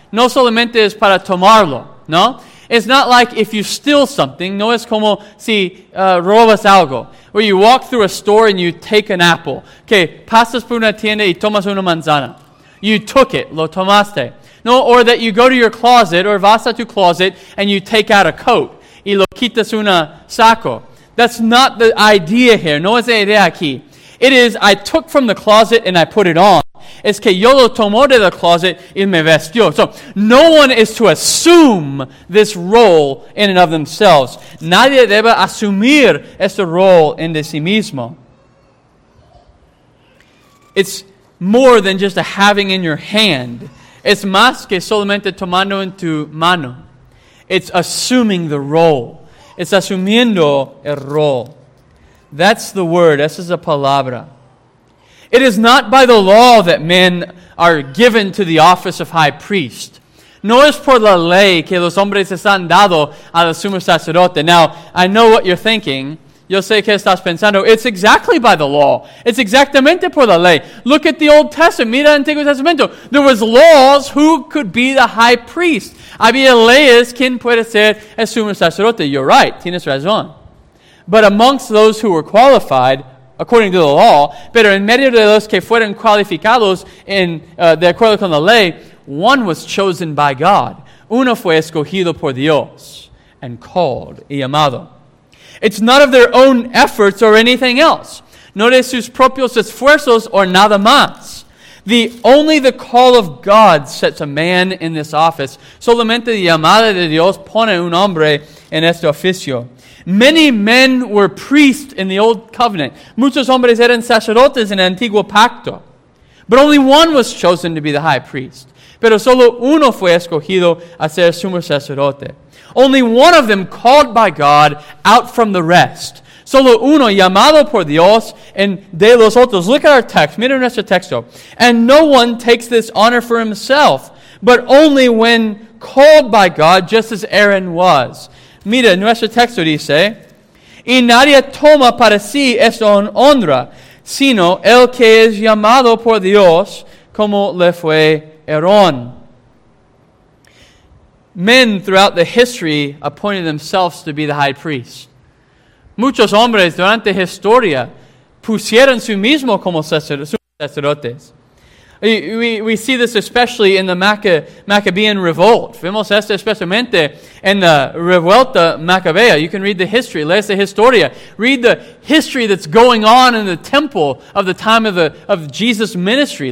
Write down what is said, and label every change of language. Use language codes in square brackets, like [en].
[es] No solamente es para tomarlo, ¿no? [en] It's not like if you steal something, [es] no es como si robas algo. [en] Where you walk through a store and you take an apple. [es] Okay, pasas por una tienda y tomas una manzana. [en] You took it, [es] lo tomaste. [en] No, or that you go to your closet or [es] vas a tu closet [en] and you take out a coat [es] y lo quitas una saco. [en] That's not the idea here, [es] no es la idea aquí. [en] It is, I took from the closet and I put it on. [es] Es que yo lo tomo de la closet y me vestió. [en] So, no one is to assume this role in and of themselves. [es] Nadie debe asumir este role en de sí mismo. [en] It's more than just a having in your hand. [es] Es más que solamente tomando en tu mano. [en] It's assuming the role. It's [es] asumiendo el rol. [en] That's the word. [es] Esa es la palabra. [en] It is not by the law that men are given to the office of high priest. [es] No es por la ley que los hombres están dado al sumo sacerdote. [en] Now, I know what you're thinking. [es] Yo sé que estás pensando. [en] It's exactly by the law. [es] It's exactamente por la ley. [en] Look at the Old Testament. [es] Mira el Antiguo Testamento. [en] There was laws who could be the high priest. [es] Había leyes quien puede ser el sumo sacerdote. [en] You're right. [es] Tienes razón. [en] But amongst those who were qualified, according to the law, [es] pero en medio de los que fueron cualificados en de acuerdo con la ley, [en] one was chosen by God. [es] Uno fue escogido por Dios [en] and called [es] y llamado. [en] It's not of their own efforts or anything else. [es] No de sus propios esfuerzos or nada más. [en] Only the call of God sets a man in this office. [es] Solamente la llamada de Dios pone un hombre en este oficio. [en] Many men were priests in the Old Covenant. [es] Muchos hombres eran sacerdotes en el Antiguo Pacto. [en] But only one was chosen to be the high priest. [es] Pero solo uno fue escogido a ser sumo sacerdote. [en] Only one of them called by God out from the rest. [es] Solo uno llamado por Dios en de los otros. [en] Look at our text. [es] Mira nuestro texto. [en] And no one takes this honor for himself, but only when called by God, just as Aaron was. [es] Mira, nuestro texto dice, y nadie toma para sí esta honra, sino el que es llamado por Dios, como le fue Aarón. [en] Men throughout the history appointed themselves to be the high priest. [es] Muchos hombres durante historia pusieron su mismo como sacerdotes. [en] We see this especially in the Maccabean Revolt. [es] Vemos esto especialmente en la Revuelta Maccabea. [en] You can read the history. [es] Lees la historia. [en] Read the history that's going on in the temple of the time of Jesus' ministry.